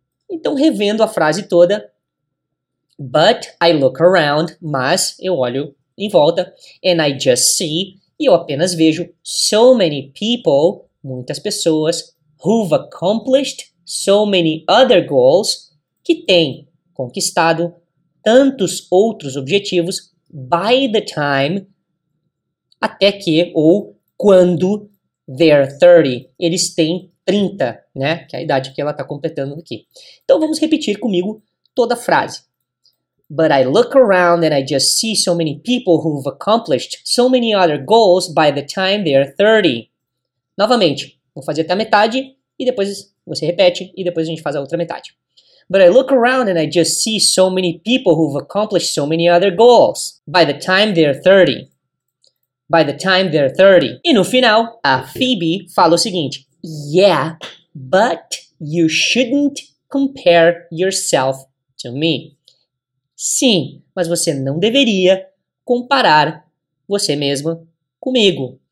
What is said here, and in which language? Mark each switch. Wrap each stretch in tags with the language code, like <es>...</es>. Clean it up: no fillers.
<pt>Então, revendo a frase toda,</pt> <en>but I look around,</en> <pt>mas eu olho em volta,</pt> <en>and I just see,</en> <pt>e eu apenas vejo,</pt> <en>so many people,</en> <pt>muitas pessoas,</pt> <en>who've accomplished so many other goals,</en> <pt>que têm conquistado tantos outros objetivos,</pt> <en>by the time,</en> <pt>até que, ou quando,</pt> <en>they're 30,</en> <pt>eles têm 30, né? Que é a idade que ela está completando aqui. Então, vamos repetir comigo toda a frase.</pt> <en>But I look around and I just see so many people who've accomplished so many other goals by the time they are 30.</en> <pt>Novamente, vou fazer até a metade e depois você repete e depois a gente faz a outra metade.</pt> <en>But I look around and I just see so many people who've accomplished so many other goals by the time they are 30. By the time they are 30.</en> <pt>E no final, a Phoebe fala o seguinte.</pt> <en>Yeah, but you shouldn't compare yourself to me.</en> <pt>Sim, mas você não deveria comparar você mesma comigo.</pt>